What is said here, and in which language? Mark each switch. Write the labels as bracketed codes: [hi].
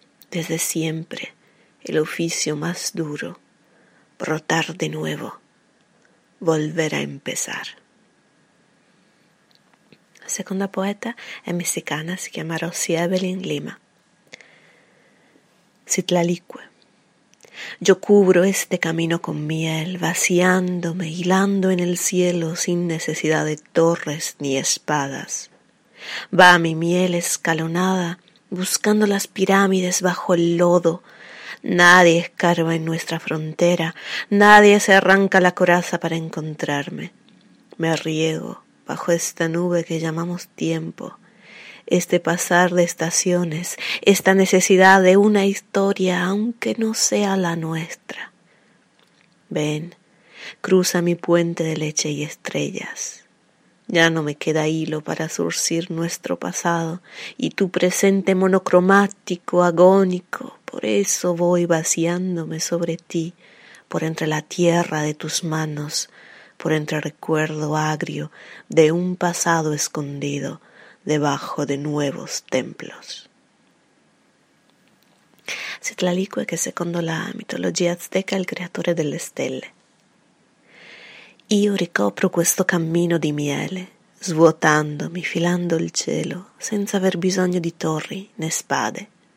[es] Desde siempre el oficio más duro, brotar de nuevo, volver a empezar. [it] La seconda poeta è messicana, si chiama Rosy Evelyn Lima. [es] Citlalicue. Yo cubro este camino con miel, vaciándome, hilando en el cielo sin necesidad de torres ni espadas. Va mi miel escalonada, buscando las pirámides bajo el lodo. Nadie escarba en nuestra frontera, nadie se arranca la coraza para encontrarme. Me riego bajo esta nube que llamamos tiempo. Este pasar de estaciones, esta necesidad de una historia, aunque no sea la nuestra. Ven, cruza mi puente de leche y estrellas. Ya no me queda hilo para surcir nuestro pasado y tu presente monocromático, agónico. Por eso voy vaciándome sobre ti, por entre la tierra de tus manos, por entre el recuerdo agrio de un pasado escondido debajo de nuevos templos. [it] Citlalicue, que secondo la mitologia azteca è il creatore delle stelle. Io ricopro questo cammino di miele, svuotandomi, filando il cielo, senza aver bisogno di torri né spade.